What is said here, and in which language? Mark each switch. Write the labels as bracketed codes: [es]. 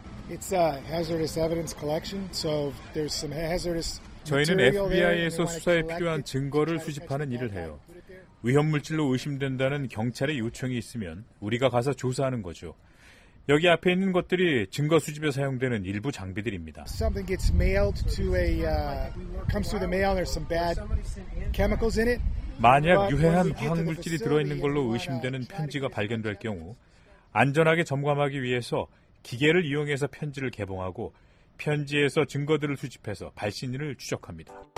[en] It's a hazardous evidence collection. So there's some hazardous. [ko] 저희는 FBI에서 수사에 필요한 증거를 수집하는 일을 해요. 위험 물질로 의심된다는 경찰의 요청이 있으면 우리가 가서 조사하는 거죠. 여기 앞에 있는 것들이 증거 수집에 사용되는 일부 장비들입니다. [en] Something gets mailed to a comes through the mail. There's some bad chemicals in it. [ko] 만약 유해한 화학 물질이 들어 있는 걸로 의심되는 편지가 발견될 경우 안전하게 점검하기 위해서 기계를 이용해서 편지를 개봉하고 편지에서 증거들을 수집해서 발신인을 추적합니다.